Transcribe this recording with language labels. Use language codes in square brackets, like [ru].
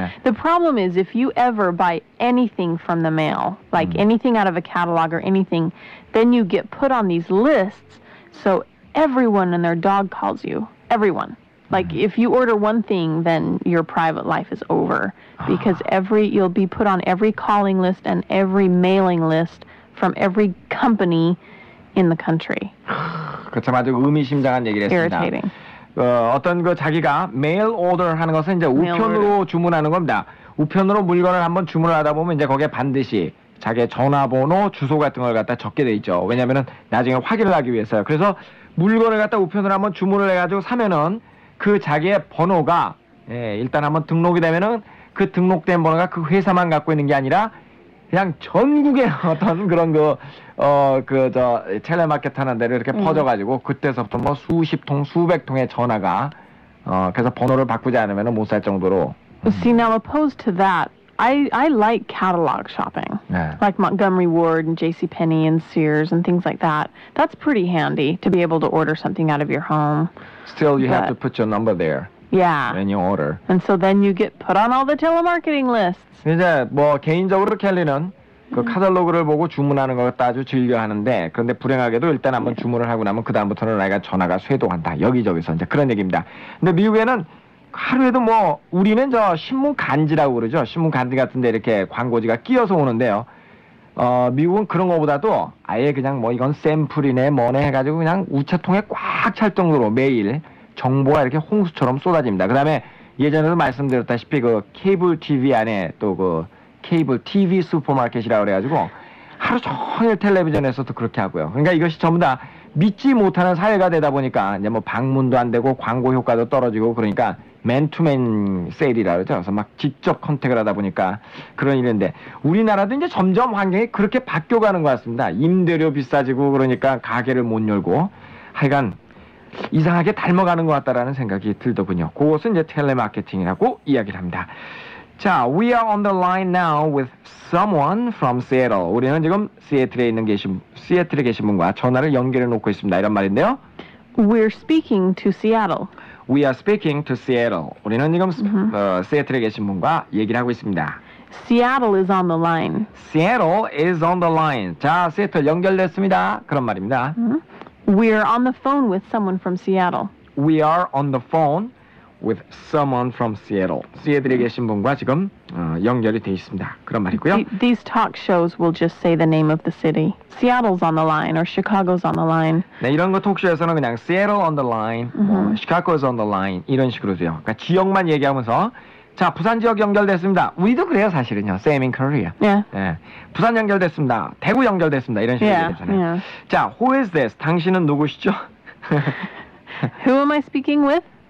[en] The problem is if you ever buy anything from the mail, like anything out of a catalog or anything, then you get put on these lists. So everyone and their dog calls you. Everyone. Like if you order one thing, then your private life is over. Because you'll be put on every calling list and every mailing list from every company in the country. [ko] 그참 아주 의미심장한 얘기를 했습니다. [en] Irritating. [ko] 어떤 그 자기가 mail order 하는 것은 이제 우편으로 주문하는 겁니다. 우편으로 물건을 한번 주문을 하다 보면 이제 거기에 반드시 자기의 전화번호, 주소 같은 걸 갖다 적게 돼 있죠. 왜냐하면은 나중에 확인을 하기 위해서요. 그래서 물건을 갖다 우편으로 한번 주문을 해가지고 사면은 그 자기의 번호가 일단 한번 등록이 되면은 그 등록된 번호가 그 회사만 갖고 있는 게 아니라 그냥 전국에 어떤 그런 그 텔레마켓 하는 데를 이렇게 퍼져가지고 그때서부터 뭐 수십 통, 수백 통의 전화가 그래서 번호를 바꾸지 않으면 못 살 정도로 [en] See, now opposed to that, I like catalog shopping. [ko] 네. [en] Like Montgomery Ward and JCPenney and Sears and things like that. That's pretty handy to be able to order something out of your home. Still, you have to put your number there. Yeah. When you order. And so then you get put on all the telemarketing lists. [ko] 이제 뭐 개인적으로 켈리는 그 카탈로그를 보고 주문하는 것 같다 아주 즐겨하는데 그런데 불행하게도 일단 한번 주문을 하고 나면 그다음부터는 아이가 전화가 쇄도한다 여기저기서 이제 그런 얘기입니다. 근데 미국에는 하루에도 뭐 우리는 저 신문 간지라고 그러죠. 신문 간지 같은 데 이렇게 광고지가 끼어서 오는데요. 미국은 그런 것보다도 아예 그냥 뭐 이건 샘플이네 뭐네 해가지고 그냥 우체통에 꽉 찰 정도로 매일 정보가 이렇게 홍수처럼 쏟아집니다. 그다음에 예전에도 말씀드렸다시피 그 케이블 TV 안에 또 그 케이블 TV 슈퍼마켓이라고 그래가지고 하루 종일 텔레비전에서도 그렇게 하고요. 그러니까 이것이 전부 다 믿지 못하는 사회가 되다 보니까 이제 뭐 방문도 안 되고 광고 효과도 떨어지고 그러니까 맨투맨 세일이라고 그러죠. 그래서 막 직접 컨택을 하다 보니까 그런 일인데 우리나라도 이제 점점 환경이 그렇게 바뀌어가는 것 같습니다. 임대료 비싸지고 그러니까 가게를 못 열고 하여간 이상하게 닮아가는 것 같다라는 생각이 들더군요. 그것은 이제 텔레마케팅이라고 이야기를 합니다. [en] 자, we are on the line now with someone from Seattle. [ko] 우리는 지금 시애틀에 계신 분과 전화를 연결해 놓고 있습니다. 이런 말인데요. [en] We're speaking to Seattle. We are speaking to Seattle. [ko] 우리는 지금 시애틀에 계신 분과 얘기를 하고 있습니다. [en] Seattle is on the line. Seattle is on the line. [ko] 자, 시애틀 연결됐습니다. 그런 말입니다. [en] We're on the phone with someone from Seattle. We are on the phone with someone from Seattle. [ko] 시애틀에 계신 분과 지금 연결이 돼 있습니다. 그런 말이고요. [en] These talk shows will just say the name of the city. Seattle's on the line or Chicago's on the line. [ko] 네, 이런 거 톡쇼에서는 그냥 [en] Seattle on the line, [ko] Chicago's on the line 이런 식으로 돼요. 그러니까 지역만 얘기하면서 자, 부산 지역 연결됐습니다. 우리도 그래요, 사실은요. [en] Same in Korea. Yeah. [ko] 예. 부산 연결됐습니다. 대구 연결됐습니다. 이런 식으로 얘기하잖아요. [en] Yeah. [ko] 자, [en] who is this? [ko] 당신은 누구시죠? [en] Who am I speaking with?